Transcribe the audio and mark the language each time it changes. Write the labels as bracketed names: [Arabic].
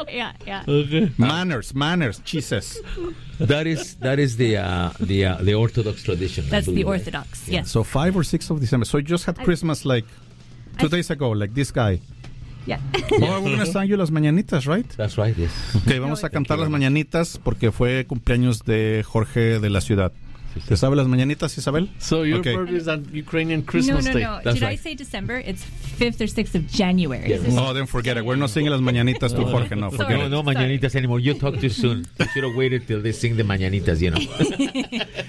[English] Yeah. Okay. Manners, Jesus. That is the Orthodox tradition. That's the Orthodox, right? Yes. So 5 or 6 of December. So you just had Christmas like 2 days ago, like this guy. Yeah. Well, we're going to sing you Las Mañanitas, right? That's right, yes. [Spanish] Okay, vamos a cantar Las Mañanitas porque fue cumpleaños de Jorge de la Ciudad. ¿Te sabe las mañanitas, Isabel? [English] So your birthday is on Ukrainian Christmas Day. No. That's I say December? It's 5th or 6th of January. Yes. Oh, then forget it. We're not singing las mañanitas to Jorge. No, no mañanitas anymore. You talk too soon. You should have waited till they sing the mañanitas, you know.